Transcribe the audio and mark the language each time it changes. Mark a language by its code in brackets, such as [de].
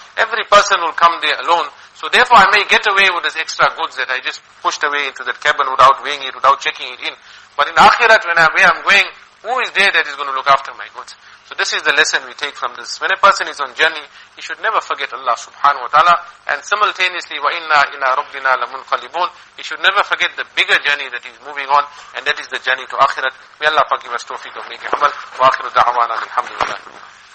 [en] Every person will come there alone. So therefore I may get away with this extra goods that I just pushed away into that cabin without weighing it, without checking it in. But in Akhirat, where I'm going, who is there that is going to look after my goods? So this is the lesson we take from this. When a person is on journey, he should never forget Allah subhanahu wa ta'ala. And simultaneously, [ar] وَإِنَّا إِلَىٰ رَبِّنَا لَمُنْقَلِبُونَ. [en] He should never forget the bigger journey that he's moving on. And that is the journey to Akhirat. May Allah give us tawfiq of making amal. [ar] وَآخِرُ دَعْوَانَا لِلْحَمْدُ لِلَّهِ.